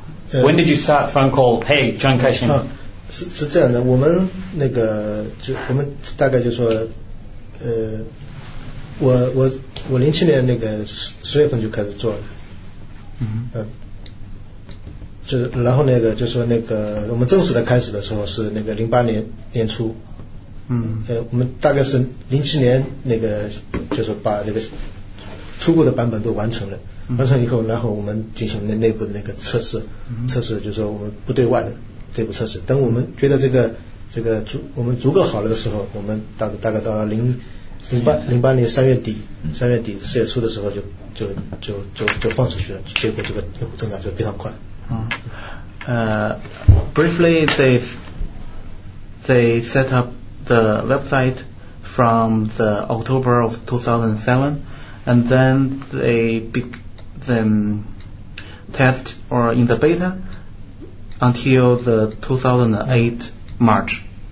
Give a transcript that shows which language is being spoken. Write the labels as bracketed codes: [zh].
[en] When did you start phone call, hey, John Caixin? [zh] 是这样的，我们那个，我们大概就说，我零七年那个十月份就开始做了。就然后那个就说那个我们正式的开始的时候是那个零八年年初，我们大概是零七年那个就是把那个初步的版本都完成了，完成以后，然后我们进行了内部的那个测试，测试就是说我们不对外的内部测试。等我们觉得这个我们足够好了的时候，我们大概到零 08年3月底三月底四月初的时候就放出去了，结果这个用户增长就非常快。 [en] 嗯，briefly they set up the website from the October of 2007, and then they then test or in the beta until the 2008 March.